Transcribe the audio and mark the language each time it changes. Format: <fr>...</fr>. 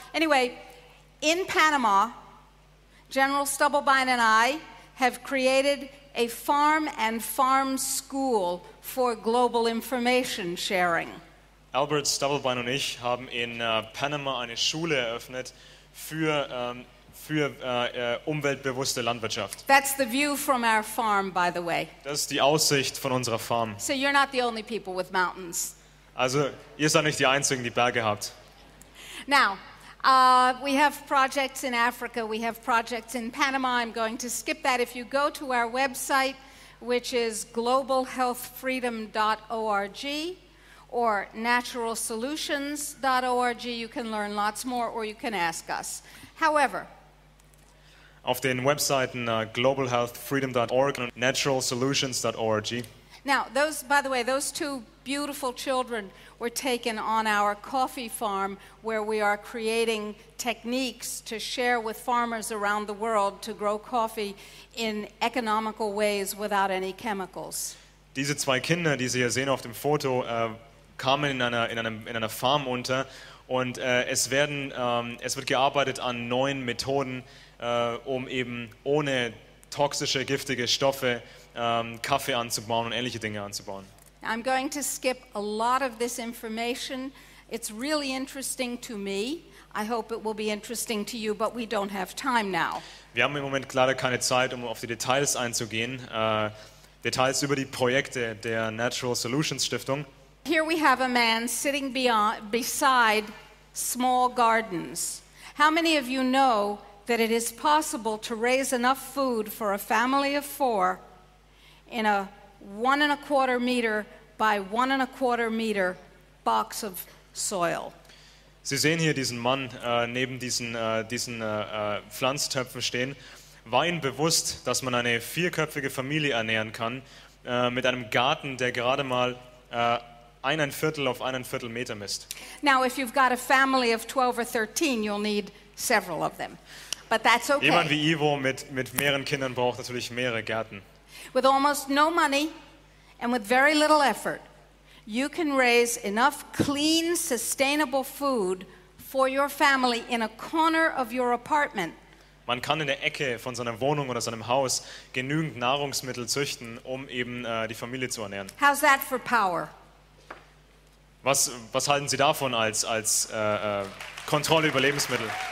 <en>Anyway, in Panama, General Stubblebine and I have created a farm and farm school for global information sharing.</en> <de>Albert Stubblebine und ich haben in Panama eine Schule eröffnet für umweltbewusste Landwirtschaft.</de> <en>That's the view from our farm, by the way.</en> <de>Das ist die Aussicht von unserer Farm.</de> <en>So you're not the only people with mountains.</en> <de>Also ihr seid nicht die Einzigen, die Berge habt.</de> <en>Now, we have projects in Africa. We have projects in Panama. I'm going to skip that. If you go to our website, which is globalhealthfreedom.org or naturalsolutions.org, you can learn lots more, or you can ask us. However.</en> <de>Auf den Webseiten globalhealthfreedom.org und naturalsolutions.org.</de> <en>Now, those two beautiful children were taken on our coffee farm where we are creating techniques to share with farmers around the world to grow coffee in economical ways without any chemicals.</en> <de>Diese zwei Kinder, die Sie hier sehen auf dem Foto, kamen in einer Farm unter und es wird gearbeitet an neuen Methoden, um eben ohne toxische, giftige Stoffe Kaffee anzubauen und ähnliche Dinge anzubauen.</de> <en>I'm going to skip a lot of this information. It's really interesting to me. I hope it will be interesting to you, but we don't have time now.</en> <de>Wir haben im Moment leider keine Zeit, um auf die Details einzugehen. Details über die Projekte der Natural Solutions Stiftung.</de> <en>Here we have a man sitting beside small gardens. How many of you know that it is possible to raise enough food for a family of four in a 1.25 meter by 1.25 meter box of soil?</en> <de>Sie sehen hier diesen Mann neben diesen Pflanztöpfen stehen. War Ihnen bewusst, dass man eine vierköpfige Familie ernähren kann mit einem Garten, der gerade mal 1.25 auf 1.25 Meter misst?</de> <en>Now, if you've got a family of 12 or 13, you'll need several of them. But that's okay.</en> <de>Jemand wie Ivo mit mehreren Kindern braucht natürlich mehrere Gärten.</de> <en>With almost no money and with very little effort, you can raise enough clean, sustainable food for your family in a corner of your apartment.</en> <de>Man kann in der Ecke von seiner Wohnung oder seinem Haus genügend Nahrungsmittel züchten, um eben die Familie zu ernähren.</de> <en>How's that for power?</en> <de>Was halten Sie davon als Kontrolle über Lebensmittel?</de>